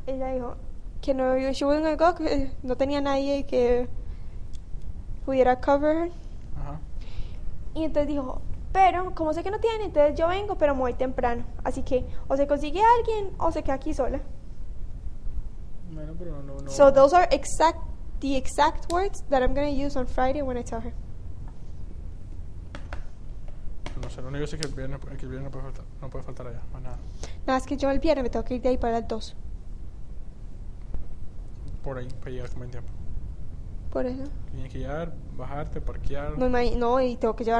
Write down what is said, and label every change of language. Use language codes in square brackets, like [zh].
[es] Ella dijo que no, [en] she wouldn't go, [es] que no tenía nadie que pudiera cover. Y entonces dijo, pero como sé que no tiene, entonces yo vengo, pero muy temprano. Así que o se consigue a alguien o se queda aquí sola. Bueno, pero no, [en] So [es] no. [en] those are the exact words that I'm going to use on Friday when I tell her. [es] No sé, lo único que sé es que el viernes no puede faltar, no puede faltar allá, más nada. Nada, es que yo el viernes me tengo que ir de ahí para las 2. Por ahí, para llegar con buen tiempo. Por eso. Tienes que llegar, bajarte, parquear, No, y tengo que llevar